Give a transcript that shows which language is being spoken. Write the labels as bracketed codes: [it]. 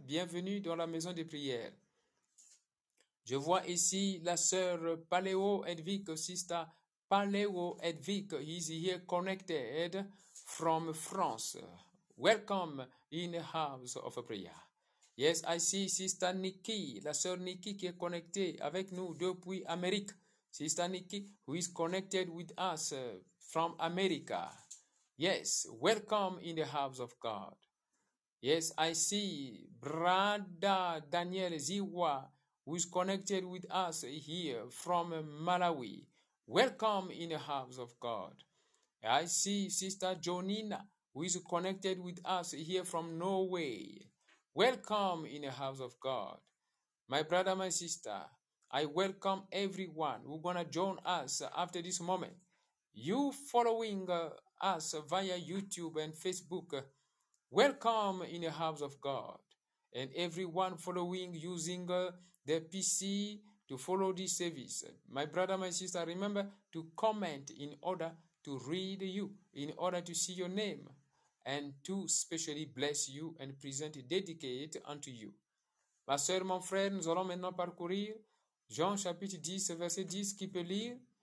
[fr] Bienvenue dans la maison de prière. Je vois ici la sœur Paléo Edvic, [en] sister Paléo Edvic is here connected from France. Welcome in the house of prayer. Yes, I see sister Nikki, [fr] la sœur Nikki qui est connectée avec nous depuis Amérique. [en] Sister Nikki, who is connected with us from America. Yes, welcome in the house of God. Yes, I see brother Daniel Ziwa, who is connected with us here from Malawi. Welcome in the house of God. I see sister Jonina, who is connected with us here from Norway. Welcome in the house of God. My brother, my sister, I welcome everyone who's gonna join us after this moment. You following us via YouTube and Facebook, Welcome in the house of God. And everyone following using their PC to follow this service. My brother, my sister, remember to comment in order to read you, in order to see your name, and to specially bless you and present dedicate unto you. [fr] Ma soeur, mon frère, nous allons maintenant parcourir Jean chapitre 10, verset 10, qui peut lire?